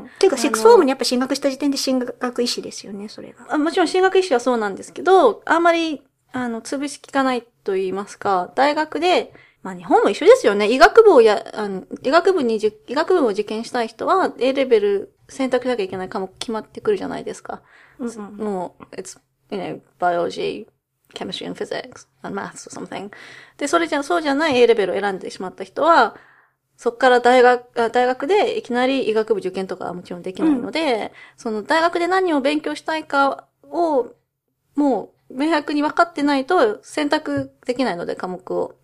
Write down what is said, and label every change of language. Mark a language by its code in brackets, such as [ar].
[ja] うん、ていうか、6フォームにやっぱ進学した時点で進学意思ですよね、それが。あ、もちろん進学意思はそうなんですけど、あんまり、潰し聞かないと言いますか、大学で、まあ日本も一緒ですよね。医学部をや、あの、医学部に、医学部を受験したい人は A レベル選択しなきゃいけない科目決まってくるじゃないですか。うんうん、 [en] もう、it's, you know, biology, chemistry and physics, and maths or something. [ja] で、それじゃ、そうじゃない A レベルを選んでしまった人は、そっから大学でいきなり医学部受験とかはもちろんできないので、うん、その大学で何を勉強したいかを、もう、明白に分かってないと選択できないので、科目を。